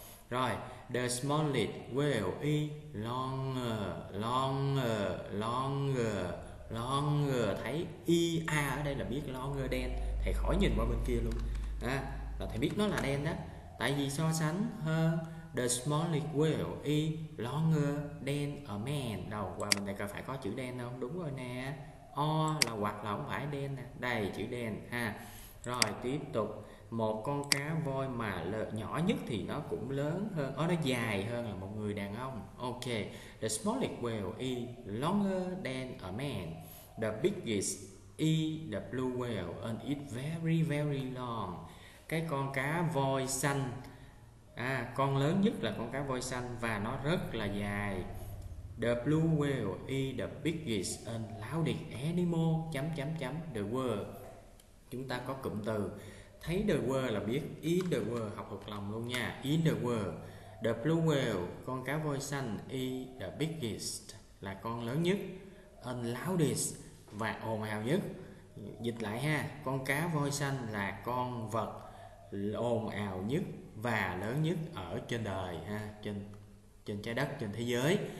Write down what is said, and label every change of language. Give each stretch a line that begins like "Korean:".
English: Rồi, the smallest whale is longer, longer, longer, longer.
Vietnamese: Thấy IA ở đây là biết longer đen. Thầy khỏi nhìn qua bên kia luôn. À, là thầy biết nó là đen đó. Tại vì so sánh hơn,
English: the smallest whale is longer than a man.
Vietnamese: Đâu, qua bên đây coi phải có chữ đen không? Đúng rồi nè. O là hoặc là không phải đen nè. Đây, chữ đen ha. Rồi, tiếp tục. Một con cá voi mà nhỏ nhất thì nó cũng lớn hơn, nó dài hơn là một người đàn ông.
English: Ok, the smallest whale is longer than a man. The biggest is the blue whale and it's very very long.
Vietnamese: Cái con cá voi xanh, con lớn nhất là con cá voi xanh và nó rất là dài.
English: The blue whale is the biggest and loudest animal
Vietnamese: chấm chấm chấm
English: the world.
Vietnamese: Chúng ta có cụm từ thấy the world là biết,
English: in the world
Vietnamese: học thuộc lòng luôn nha.
English: In the world, the blue whale,
Vietnamese: con cá voi xanh,
English: is the biggest,
Vietnamese: là con lớn nhất,
English: and loudest,
Vietnamese: và ồn ào nhất. Dịch lại ha, con cá voi xanh là con vật ồn ào nhất và lớn nhất ở trên đời ha, trên trái đất, trên thế giới.